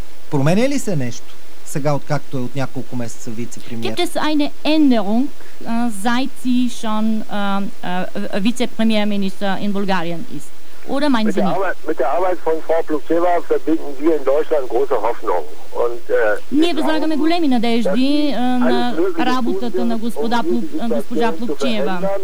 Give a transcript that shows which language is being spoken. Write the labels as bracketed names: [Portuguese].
[Bulgarian] Променя ли се нещо сега, откакто е от няколко месеца вице-премьер? [German] Gibt es eine Änderung, seit sie schon Vizepremierminister in Bulgarien ist? Oder meinen Sie nicht? Mit der Arbeit von Frau Plukčeva verbinden wir in Deutschland große Hoffnung. [Bulgarian] Ние възлагаме големи надежди на работата на госпожа Плукчеева.